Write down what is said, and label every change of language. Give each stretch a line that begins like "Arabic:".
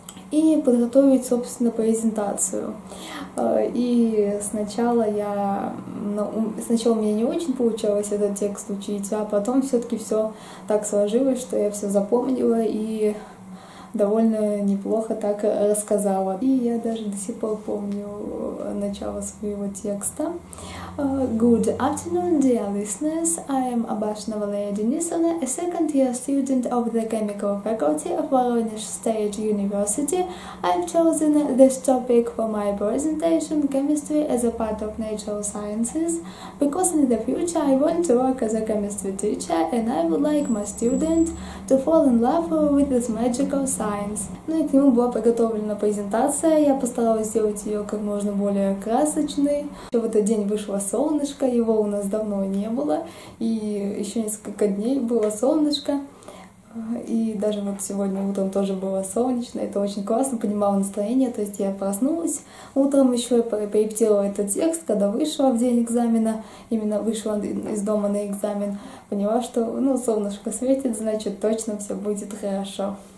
Russian: И подготовить, собственно, презентацию. И сначала у меня не очень получалось этот текст учить, а потом все-таки все так сложилось, что я все запомнила и довольно неплохо так рассказала. И я даже до сих пор помню начало своего текста.
English: Good afternoon, dear listeners. I am Abashna Valeria Denisova, a second-year student of the Chemical Faculty of Voronezh State University. I've chosen this topic for my presentation, Chemistry as a part of Natural Sciences, because in the future I want to work as a chemistry teacher and I would like my student to fall in love with this magical science.
Russian: Ну и к нему была подготовлена презентация, я постаралась сделать ее как можно более красочной. Еще в этот день вышло солнышко, его у нас давно не было, и еще несколько дней было солнышко, и даже вот сегодня утром тоже было солнечно, это очень классно, поднимало настроение, то есть я проснулась утром, еще я порепетировала этот текст, когда вышла в день экзамена, именно вышла из дома на экзамен, поняла, что, ну, солнышко светит, значит, точно все будет хорошо.